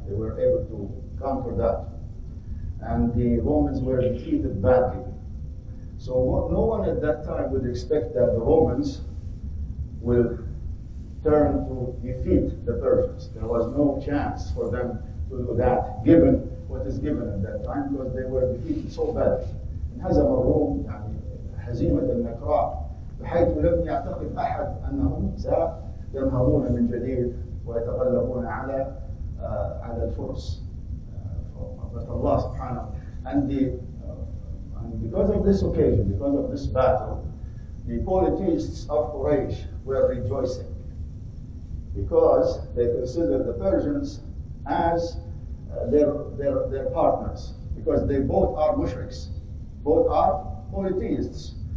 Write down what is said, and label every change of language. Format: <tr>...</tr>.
<en>They were able to conquer that. And the Romans were defeated badly. So no one at that time would expect that the Romans will turn to defeat the Persians. There was no chance for them to do that, given what is given at that time, because they were defeated so badly.</en> <ar>هزم الروم يعني هزيمة النكراء بحيث لم يعتقد أحد أنهم سينهضون من جديد ويتغلبون على على الفرس.</ar> <en>But Allah سبحانه and because of this occasion, because of this battle, the polytheists of Quraysh were rejoicing, because they considered the Persians as their partners, because they both are mushriks, both are polytheists.</en>